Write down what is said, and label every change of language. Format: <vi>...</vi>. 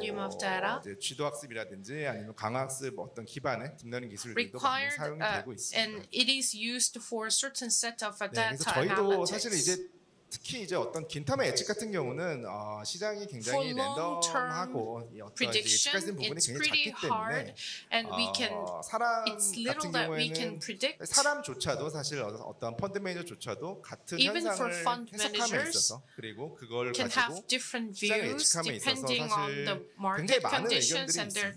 <ko>이제 지도학습이라든지 아니면 강화학습 어떤 기반의 딥러닝 기술들도 많이 사용되고 있습니다.</ko> <en>And it is used for a certain set of data.</en> <ko>그래서 저희도 사실 이제 특히 이제 어떤 긴타매 예측 같은 경우는 시장이 굉장히 랜덤하고 prediction, 부분이 굉장히 작기 때문에</ko> <en>and we can,</en> <ko>사람 같은 경우에는 사람조차도 사실 어떤 펀드 매니저조차도 같은 현상을 해석함에 있어서 그리고 그걸 가지고 시장의 예측함에 있어서 사실 굉장히 많은 의견들이 있습니다.</ko>